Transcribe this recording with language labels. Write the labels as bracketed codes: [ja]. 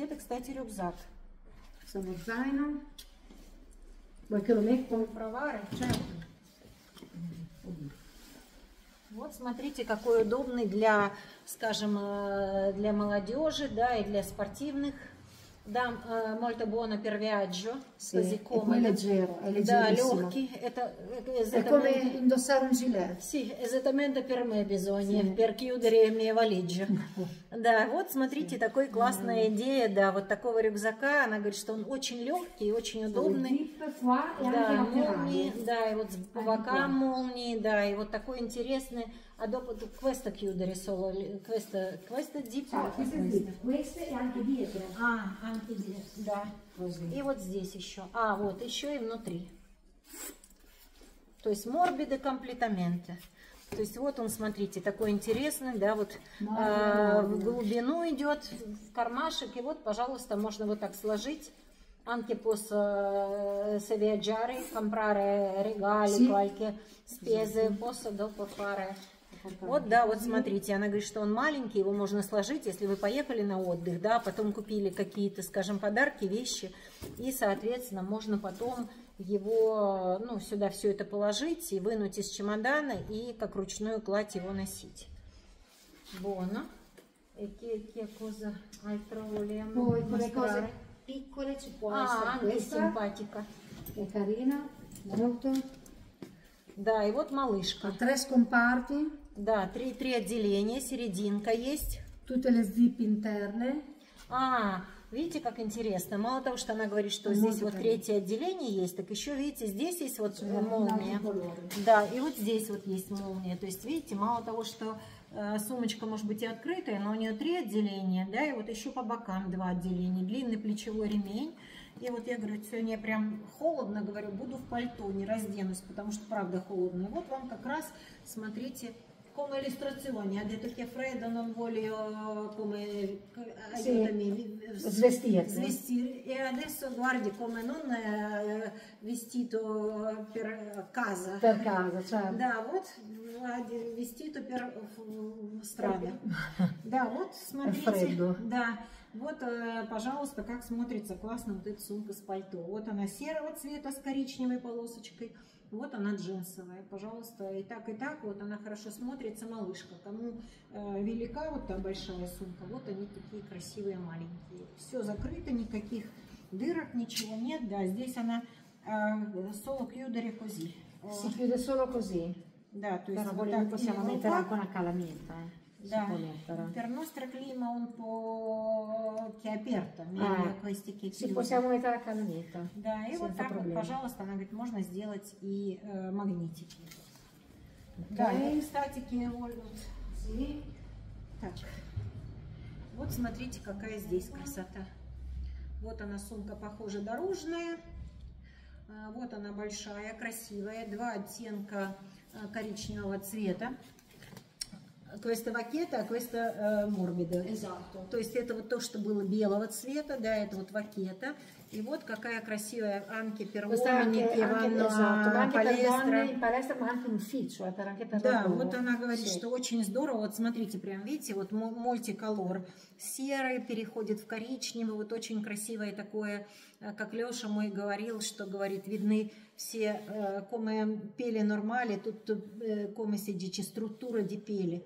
[ru] Это, кстати, рюкзак. [it] Sono zaino. Vuoi che lo metto? Vuoi provare? Certo. [ru] Вот смотрите, какой удобный для, скажем, для молодежи, да, и для спортивных. [it] Да, molto buono per viaggio. Sì, così come. È leggero, è leggerissimo. Da, è come indossare un gilet. Sì, esattamente per me bisogna, sì. Per chiudere le mie valigie. [ru] Да, вот смотрите, sì. Такой классная идея, да, вот такого рюкзака. Она говорит, что он очень легкий, очень удобный. Да, молнии, да, и вот по бокам молнии, да, и вот такой интересный. [it] А dopo questo chiudere solo questo questo dietro. Ah, questo dietro. Questo e anche dietro. Ah, anche dietro. [ru] Да. [it] Così. [ru] И вот здесь еще. А вот еще и внутри. То есть морбиде комплетаменте. То есть вот он, смотрите, такой интересный, да, вот в глубину идет в кармашек, и вот, пожалуйста, можно вот так сложить. [it] Anche posso se viaggiare comprare regali, sì. Qualche spese, posso dopo fare. [ru] Вот, да, вот смотрите, она говорит, что он маленький, его можно сложить, если вы поехали на отдых, да, потом купили какие-то, скажем, подарки, вещи, и, соответственно, можно потом его, ну, сюда все это положить и вынуть из чемодана и как ручную кладь его носить. [it] Bono. E che cosa altro volevo mostrare? Poi, cose piccole ci può essere questa. Ah, anche simpatica. È carina, molto. [ru] Да, и вот малышка. [it] А tre scomparti. [ru] Да, три отделения, серединка есть. [it] Tutte le zip interne. [ru] А, видите, как интересно. Мало того, что она говорит, что здесь вот третье отделение есть, так еще, видите, здесь есть вот молния. Да, и вот здесь вот есть молния. То есть, видите, мало того, что сумочка может быть и открытая, но у нее три отделения, да, и вот еще по бокам два отделения. Длинный плечевой ремень. И вот я говорю, сегодня прям холодно, говорю, буду в пальто, не разденусь, потому что правда холодно. И вот вам как раз, смотрите, [it] come illustrazione, ha detto che freddo non voglio come aiutami svestire. E adesso guardi come non vestito per casa. Per casa, certo. [ru] Да, вот [it] vestito per strada. [ru] Да, вот смотрите. Да. Вот, пожалуйста, как смотрится классно вот эта сумка с пальто. Вот она серого цвета с коричневой полосочкой. Вот она джинсовая. Пожалуйста, и так, вот она хорошо смотрится, малышка. Кому велика вот та большая сумка, вот они такие красивые маленькие. Все закрыто, никаких дырок, ничего нет. Да, здесь она [it] solo chiudere così. Si chiude solo così. [ru] Да, то есть вот так. [it] Possiamo mettere anche una calamita. Да, per nostro clima un po' che è aperto, meglio questi che si possiamo mettere a calamita. [ru] Да, и вот так вот, пожалуйста, она говорит, можно сделать и магнитики. Да, и статики вольнут. Так, вот смотрите, какая здесь красота. Вот она сумка, похоже, дорожная. Вот она большая, красивая, два оттенка коричневого цвета. [it] Questa vacchetta, questa morbida. Esatto. [ru] То есть это вот то, что было белого цвета, да, это вот вакета. И вот какая красивая [it] anche per uomini, anche per palestra. [ru] Да, вот она говорит, что очень здорово. Вот смотрите, прям видите, вот мультиколор. Серый переходит в коричневый. Вот очень красивое такое, как Леша мой говорил, что говорит, видны все, come пели нормали, тут [it] come si dice, [ru] структура di пели.